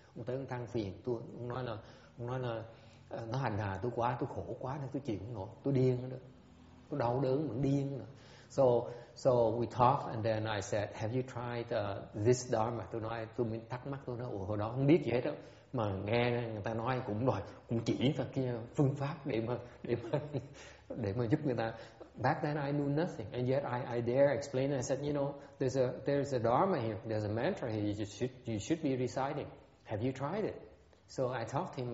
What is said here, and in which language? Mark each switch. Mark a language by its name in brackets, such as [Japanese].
[Vietnamese] Ông tới ông than phiền tôi, ông nói là nó hành hà tôi quá, tôi khổ quá nên tôi chịu không nổi, tôi điên nữa, tôi đau đớn mà điên nữa. [English] So we talked and then I said, have you tried this dharma? [Vietnamese] Tôi nói ủa hồi đó không biết gì hết đó, mà nghe người ta nói cũng rồi, cũng chỉ là kia phương pháp để mà giúp người ta. [English] Back then I knew nothing and yet I dare explain. I said, you know, there's a dharma here, there's a mantra here, you should be reciting. Have you tried it? So I talked to him.